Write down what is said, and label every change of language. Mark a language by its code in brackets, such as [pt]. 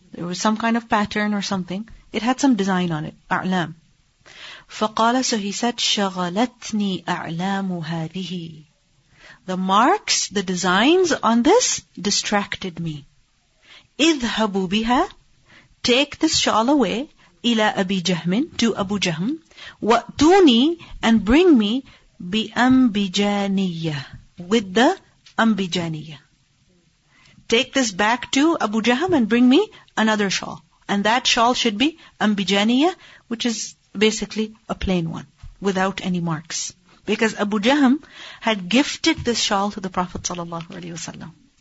[en] There was some kind of pattern or something. It had some design on it. أعلام. [ar] فقال, [en] so he said, [ar] شغلتني أعلام هذه. [en] The marks, the designs on this distracted me. [ar] اذهبوا بها, [en] take this shawl away, [ar] إلى أبي جهم, [en] to Abu Jahm, [ar] وأتوني, [en] and bring me, [ar] بأمبجانية, [en] with the أمبجانية. Take this back to Abu Jahm and bring me another shawl. And that shawl should be أمبجانية, which is basically a plain one, without any marks. Because Abu Jahm had gifted this shawl to the Prophet ﷺ.